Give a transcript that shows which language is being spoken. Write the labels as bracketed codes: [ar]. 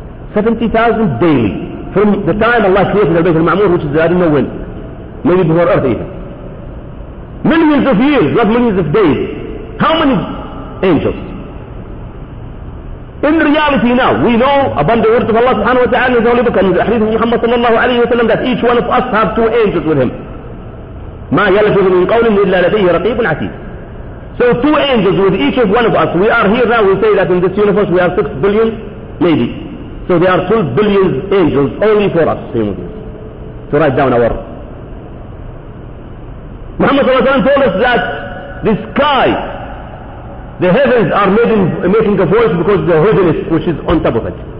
[en] 70,000 daily, from the time Allah created the Bayt al-Ma'mur, which is, I don't know when, maybe before Earth even. Millions of years, not millions of days. How many angels? In reality now, we know upon the word of Allah subhanahu wa ta'ala in the Holy Book and the Hadith of Muhammad sallallahu alayhi wa sallam that each one of us have two angels with him. [ar] ما يلفظ من قول إلا لديه رقيب عتيد. [en] So two angels with each of one of us. We are here now, we say that in this universe we are 6 billion, maybe. So there are 12 billion angels only for us. So write down our... Muhammad [ar] صلى الله عليه وسلم [en] told us that the sky, the heavens are making a voice because the heaviness which is on top of it.